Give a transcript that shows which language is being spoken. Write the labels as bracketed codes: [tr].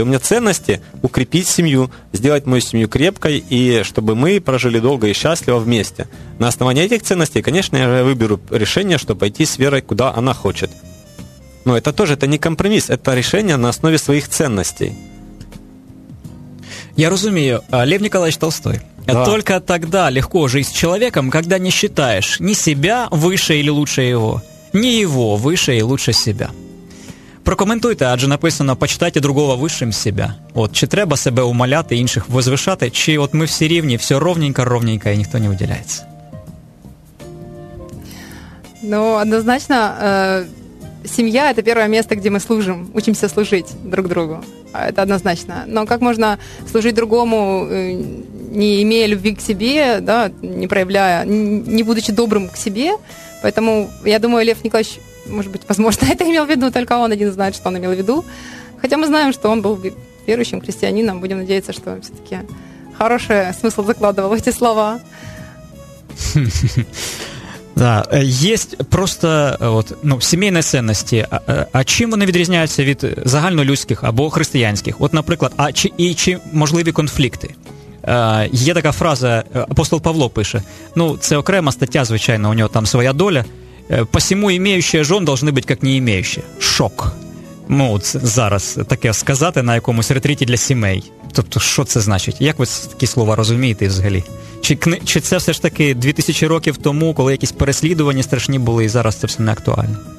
[ru] У меня ценности укрепить семью, сделать мою семью крепкой, и чтобы мы прожили долго и счастливо вместе. На основании этих ценностей, конечно, я выберу решение, чтобы пойти с Верой, куда она хочет. Но это тоже, это не компромисс, это решение на основе своих ценностей. [uk] Я розумію, Лев Ніколаєвич Толстой. [ru] Да. Только тогда легко жить с человеком, когда не считаешь ни себя выше или лучше его, ни его выше и лучше себя. [uk] Прокоментуйте, адже написано «почитайте другого вищим себя». От, чи треба себе умаляти, інших возвишати, чи от ми всі рівні, все ровненько-ровненько, і ніхто не виділяється? Ну, однозначно, сім'я – це перше місце, де ми служимо, учимося служити друг другу. Це однозначно. Но як можна служити другому, не імея [ru] любви к себе, [uk] да, не проявляя, не будучи добрим к себе? [ru] Поэтому, я думаю, Лев Николаевич, может быть, возможно, это имел в виду, только он один знает, что он имел в виду. Хотя мы знаем, что он был верующим христианином. Будем надеяться, что все-таки хороший смысл закладывал эти слова. Да, есть просто вот, ну, семейные ценности. А чем они [uk] відрізняються від загальнолюдських або християнських? [ru] Вот, например, [uk] а чи можливі конфлікти? Є така фраза, апостол Павло пише, ну, це окрема стаття, звичайно, у нього там своя доля. [ru] Посему имеющие жен должны быть как не имеющие. [uk] Шок. Ну, зараз таке сказати на якомусь ретриті для сімей. Тобто, що це значить? Як ви такі слова розумієте взагалі? Чи це все ж таки 2000 років тому, коли якісь переслідування страшні були, і зараз це все не актуально?